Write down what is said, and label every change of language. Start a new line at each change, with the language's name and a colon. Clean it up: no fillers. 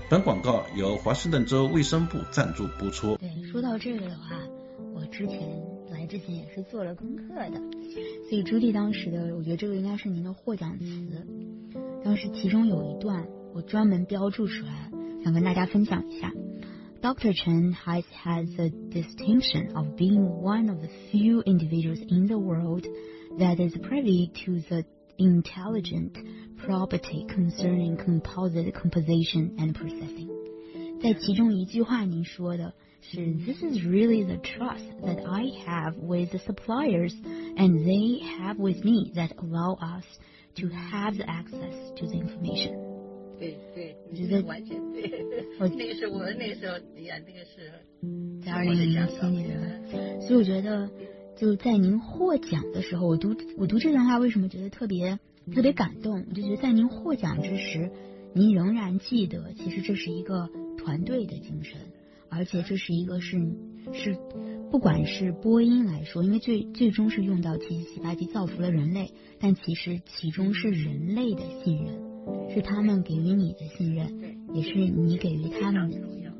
Chinese: 本广告由华盛顿州卫生部赞助播出。对，说到这个的话，我之前来之前也是做了功课的，所以朱莉当时的，我觉得这个应该是您的获奖词。当时其中有一段我专门标注出来，想跟大家分享一下。
English: Dr. Chen has had the distinction of being one of the few individuals in the world that is privy to the intelligent property concerning composite composition and processing.
Chinese: 在其中一句话您说的是
English: This is really the trust that I have with the suppliers and they have with me that allow us to have the access to the information.
Chinese: 对对，你是完全对。那个是我那个时候，哎呀，那个是在2007年。所以我觉得就在您获奖的时候，我读这段话为什么觉得特别感动，我就觉得在您获奖之时，您仍然记得其实这是一个团队的精神，而且这是一个是不管是播音来说，因为最终是用到七七七八七造福了人类，但其实其中是人类的信任，是他们给予你的信任，也是你给予他们的信任。